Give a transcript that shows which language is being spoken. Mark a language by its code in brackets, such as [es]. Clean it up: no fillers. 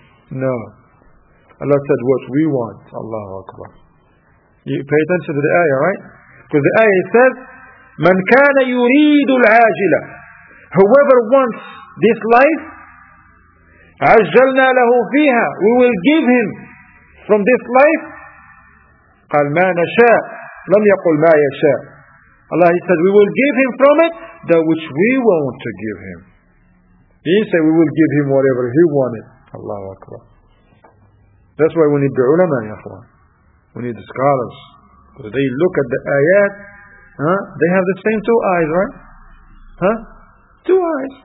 [en] No, Allah said what we want. Allahu Akbar. You pay attention to the ayah, right? Because the ayah says من كان يريد العاجلة, whoever wants this life, عجلنا له فيها, we will give him from this life. [ar] قال ما نشاء, لم يقل ما يشاء. [en] Allah, he said, we will give him from it that which we want to give him. He said, we will give him whatever he wanted. Allahu Akbar. That's why we need the ulama, ya akhwan. We need the scholars. Because they look at the ayat, they have the same two eyes, right? Huh? Two eyes.